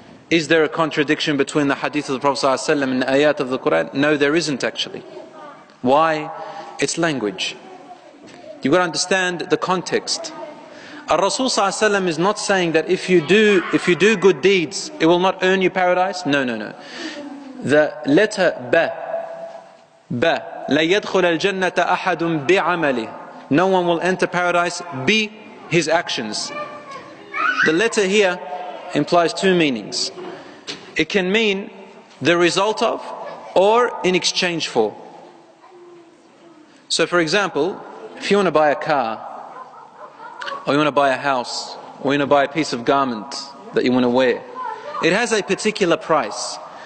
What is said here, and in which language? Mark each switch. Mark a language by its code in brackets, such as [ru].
[en] Is there a contradiction between the hadith of the Prophet ﷺ and the ayat of the Quran? No, there isn't actually. Why? It's language. You've got to understand the context. Rasul sallallahu alayhi wa sallam is not saying that if you do good deeds, it will not earn you paradise. No, no, no. The letter ba, [ar] لا يدخل الجنة أحد بعمله. [en] No one will enter paradise by his actions. The letter here implies two meanings. It can mean the result of or in exchange for. So for example, if you want to buy a car, or you want to buy a house, or you want to buy a piece of garment that you want to wear, it has a particular price.